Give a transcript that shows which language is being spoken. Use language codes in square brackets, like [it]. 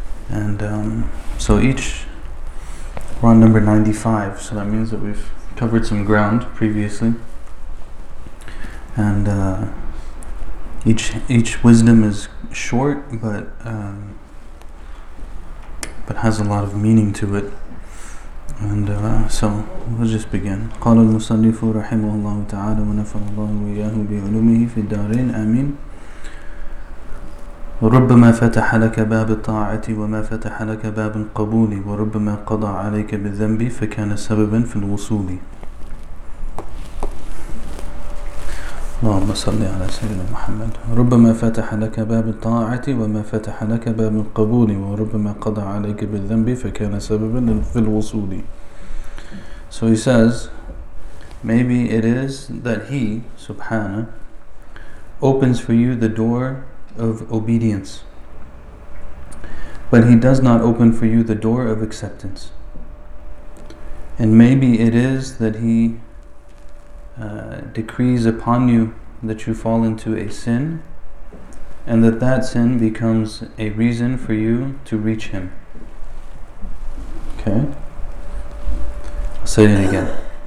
[en] And we're on number 95, so that means that we've covered some ground previously. And each wisdom is short, but has a lot of meaning to it. And so we'll just begin. [ar] قال المصنف رحمه الله تعالى ونفع الله وإياه بعلومه في الدارين آمين. وربما فتح لك باب الطاعة وما فتح لك باب القبول وربما قضى عليك بالذنب فكان سببا في الوصول. اللهم صل على سيدنا محمد. ربما فتح لك باب الطاعة وما فتح لك باب القبول وربما قضى عليك بالذنب فكان سببا في الوصول. [en] So he says, maybe it is that he, Subhana, opens for you the door of obedience, but he does not open for you the door of acceptance. And maybe it is that he decrees upon you that you fall into a sin, and that sin becomes a reason for you to reach him. Okay? I'll say it again.